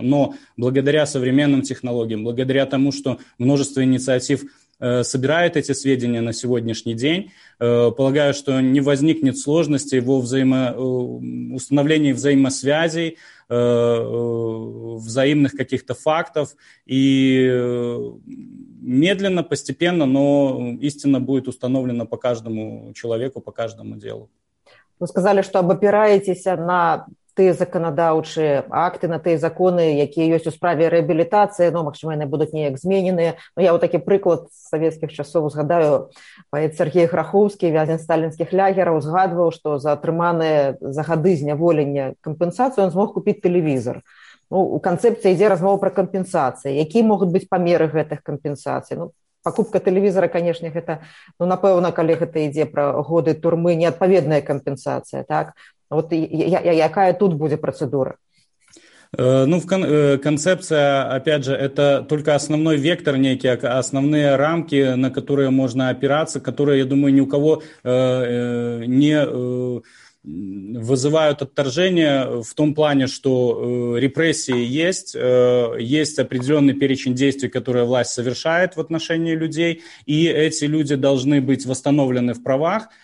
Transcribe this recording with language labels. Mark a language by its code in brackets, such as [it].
[ru] Но благодаря современным технологиям, благодаря тому, что множество инициатив собирает эти сведения на сегодняшний день, полагаю, что не возникнет сложностей во установлении взаимосвязей, взаимных каких-то фактов, и медленно, постепенно, но истина будет установлена по каждому человеку, по каждому делу. Вы сказали, что опираетесь на [be] тыя законодаўчыя акты, на тыя законы, якія ёсць у справе рэабілітацыі, ну, магчыма, яны будуць неяк змененыя. Ну, я вот такі прыклад з савецкіх часоў згадаю, паэт Сергей Граховскі, вязень сталінскіх лагераў, згадваў, што за атрыманыя за гады зняволення кампенсацыю ён змог купіць тэлевізор. Ну, у канцэпцыі ідзе размова пра кампенсацыі. Якія могуць быць памеры гэтых кампенсацый? Ну, пакупка тэлевізара, канешне, гэта, ну, напэўна, калі гэта ідзе пра годы турмы, неадпаведная кампенсацыя, так? [ru] Вот какая тут будет процедура? Ну, концепция, опять же, это только основной вектор некий, основные рамки, на которые можно опираться, которые, я думаю, ни у кого не вызывают отторжение в том плане, что репрессии есть, есть определенный перечень действий, которые власть совершает в отношении людей, и эти люди должны быть восстановлены в правах.